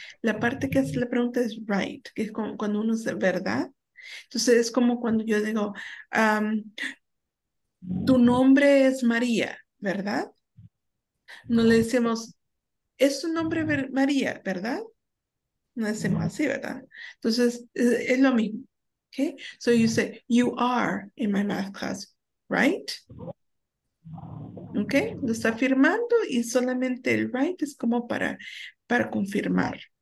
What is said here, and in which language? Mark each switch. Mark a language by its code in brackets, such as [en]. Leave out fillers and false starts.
[es] La parte que hace la pregunta es right, que es como cuando uno dice verdad. Entonces, es como cuando yo digo, tu nombre es María, ¿verdad? No le decimos, es tu nombre María, ¿verdad? No decimos así, ¿verdad? Entonces, es lo mismo. Okay? [en] So you say, you are in my math class, right? [es] Okay, lo está firmando y solamente el right es como para confirmar.